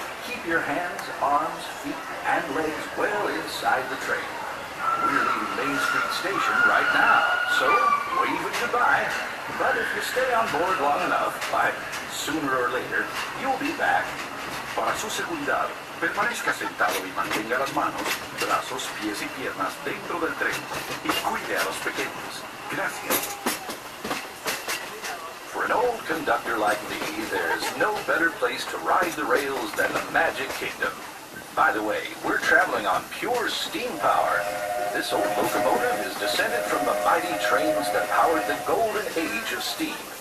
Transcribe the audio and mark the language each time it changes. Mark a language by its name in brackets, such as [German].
[English] Keep your hands, arms, feet, and legs well inside the train. We're leaving Main Street Station right now, so wave it goodbye. But if you stay on board long enough, by sooner or later, you'll be back. [Spanish] Para su seguridad, permanezca sentado y mantenga las manos, brazos, pies y piernas dentro del tren. Y cuide a los pequeños. Gracias. [English] For an old conductor like me, there's no better place to ride the rails than the Magic Kingdom. By the way, we're traveling on pure steam power. This old locomotive is descended from the mighty trains that powered the golden age of steam.